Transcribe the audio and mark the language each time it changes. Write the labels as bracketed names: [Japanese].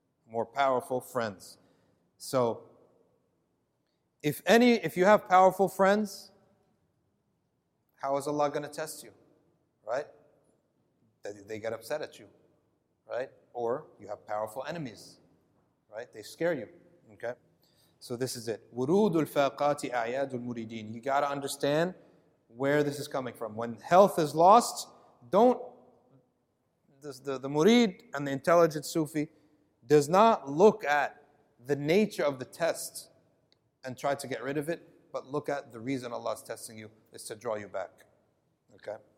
[English] More powerful friends. So, if you have powerful friends, how is Allah going to test you? Right? They get upset at you. Right? Or you have powerful enemies. Right? They scare you. Okay? So this is it. [Arabic] ورود الفاقات أعياد المريدين. [English] You got to understand where this is coming from. When health is lost, don't... The murid and the intelligent Sufi does not look at the nature of the test and try to get rid of it, but look at the reason Allah is testing you is to draw you back. Okay?